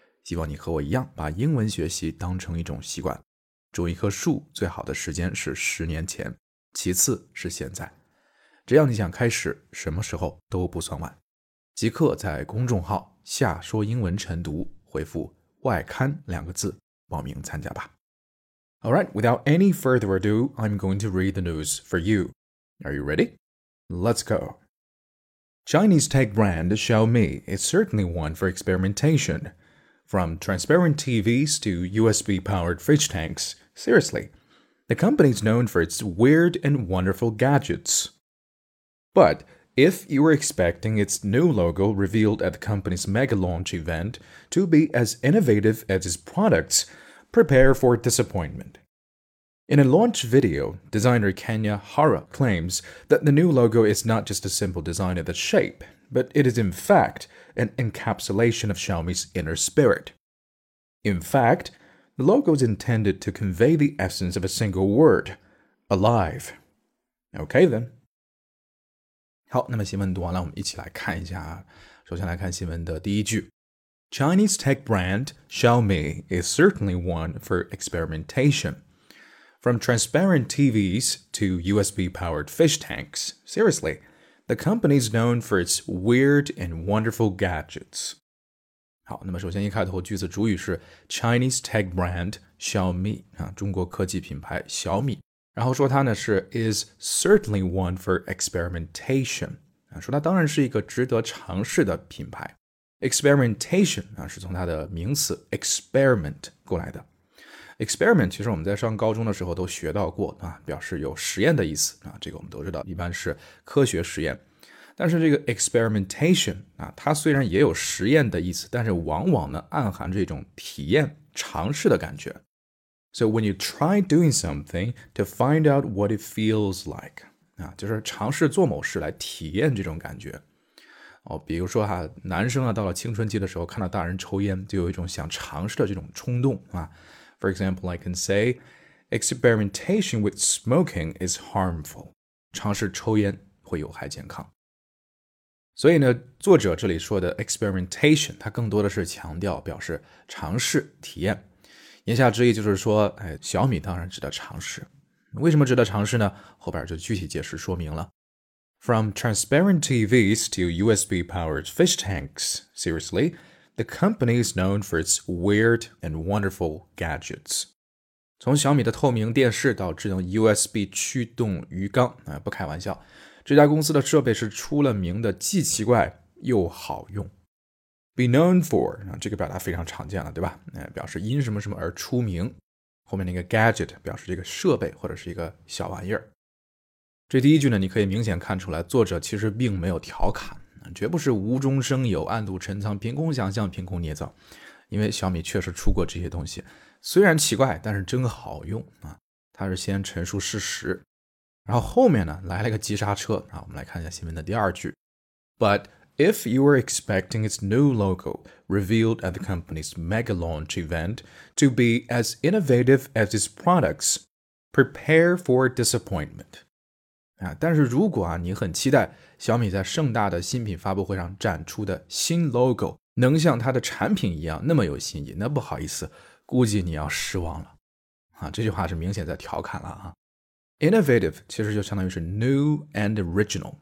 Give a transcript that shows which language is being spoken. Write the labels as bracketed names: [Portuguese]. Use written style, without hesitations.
[Chinese] 希望你和我一样把英文学习当成一种习惯。种一棵树最好的时间是十年前，其次是现在，只要你想开始，什么时候都不算晚。即刻在公众号下说英文晨读回复外刊两个字报名参加吧。 [English] Alright, without any further ado, I'm going to read the news for you. Are you ready? Let's go. Chinese tech brand Xiaomi is certainly one for experimentation. From transparent TVs to USB-powered fridge tanks, seriously, the company is known for its weird and wonderful gadgets. But... If you were expecting its new logo revealed at the company's mega launch event to be as innovative as its products, prepare for disappointment. In a launch video, designer Kenya Hara claims that the new logo is not just a simple design of the shape, but it is in fact an encapsulation of Xiaomi's inner spirit. In fact, the logo is intended to convey the essence of a single word, alive. Okay then. [Chinese] 好，那么新闻读完了，我们一起来看一下。首先来看新闻的第一句。 [English] Chinese tech brand Xiaomi is certainly one for experimentation. From transparent TVs to USB-powered fish tanks. Seriously, the company is known for its weird and wonderful gadgets. [Chinese] 好，那么首先一开头句子主语是 Chinese tech brand Xiaomi, 中国科技品牌小米。然后说它呢是 is certainly one for experimentation, 说它当然是一个值得尝试的品牌。 Experimentation, 是从它的名词 experiment 过来的。 Experiment 其实我们在上高中的时候都学到过，表示有实验的意思，这个我们都知道，一般是科学实验。但是这个 experimentation, 它虽然也有实验的意思，但是往往呢暗含着一种体验尝试的感觉。 [English] So when you try doing something to find out what it feels like, [Chinese] 就是尝试做某事来体验这种感觉。哦，比如说男生到了青春期的时候看到大人抽烟就有一种想尝试的这种冲动。 [English] For example, I can say, experimentation with smoking is harmful. [Chinese] 尝试抽烟会有害健康。所以呢，作者这里说的 experimentation, 它更多的是强调表示尝试体验。言下之意就是说，小米当然值得尝试。为什么值得尝试呢？后边就具体解释说明了。 [English] From transparent TVs to USB-powered fish tanks, seriously, the company is known for its weird and wonderful gadgets. [Chinese] 从小米的透明电视到智能 USB 驱动鱼缸，不开玩笑，这家公司的设备是出了名的既奇怪又好用。 [English] Be known for, [Chinese] 这个表达非常常见了，对吧？表示因什么什么而出名。后面那个 gadget 表示这个设备或者是一个小玩意儿。这第一句呢，你可以明显看出来作者其实并没有调侃，绝不是无中生有、暗度陈仓、凭空想象、凭空捏造。因为小米确实出过这些东西，虽然奇怪，但是真好用啊。它是先陈述事实，然后后面呢来了个急刹车啊。我们来看一下新闻的第二句 [English] ，But if you were expecting its new logo revealed at the company's mega launch event to be as innovative as its products, prepare for disappointment。 [Chinese] 啊，但是如果啊你很期待小米在盛大的新品发布会上展出的新 logo 能像它的产品一样那么有新意，那不好意思，估计你要失望了。啊，这句话是明显在调侃了啊。 Innovative 其实就相当于是 new and original，